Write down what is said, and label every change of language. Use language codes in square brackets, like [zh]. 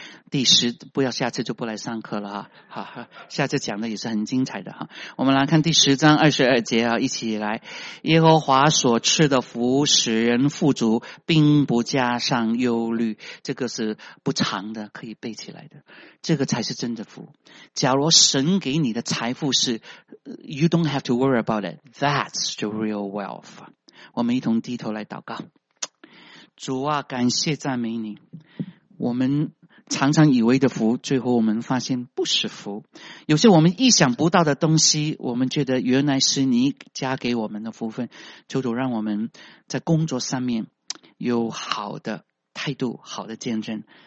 [zh] 第十，不要下次就不来上课了哈，下次讲的也是很精彩的哈。我们来看第十章二十二节啊，一起来。耶和华所赐的福使人富足，并不加上忧虑，这个是不长的，可以背起来的，这个才是真的福。假如神给你的财富是 [en] You don't have to worry about it, that's the real wealth。 [zh] 我们一同低头来祷告。主啊，感谢赞美你，我们常常以为的福，最后我们发现不是福。有些我们意想不到的东西，我们觉得原来是你加给我们的福分。求主让我们在工作上面有好的态度，好的见证。